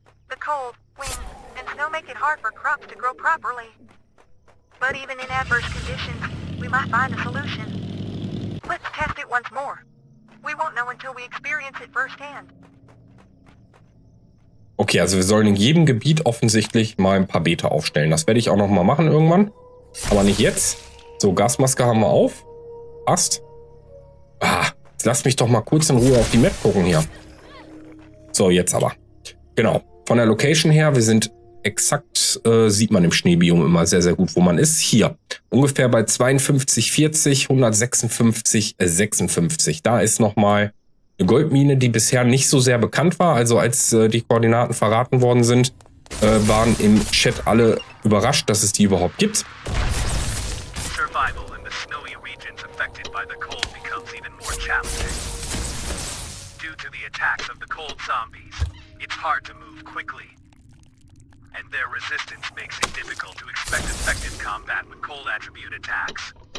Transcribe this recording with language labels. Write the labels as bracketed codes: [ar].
[en] The cold, wind, and snow make it hard for crops to grow properly. But even in adverse conditions, we might find a solution. Let's test it once more. We won't know until we experience it firsthand. [de] Okay, also wir sollen in jedem Gebiet offensichtlich mal ein paar Beete aufstellen. Das werde ich auch nochmal machen irgendwann. Aber nicht jetzt. So, Gasmaske haben wir auf. Passt. Ah, jetzt lass mich doch mal kurz in Ruhe auf die Map gucken hier. So, jetzt aber. Genau, von der Location her, wir sind exakt, sieht man im Schneebiom immer sehr, sehr gut, wo man ist. Hier, ungefähr bei 52, 40, 156, 56. Da ist nochmal eine Goldmine, die bisher nicht so sehr bekannt war. Also als die Koordinaten verraten worden sind, waren im Chat alle überrascht, dass es die überhaupt gibt. [en] Survival in the snowy regions affected by the cold becomes even more challenging. Due to the attacks of the cold zombies, it's hard to move quickly. And their resistance makes it difficult to expect effective combat with cold attribute attacks.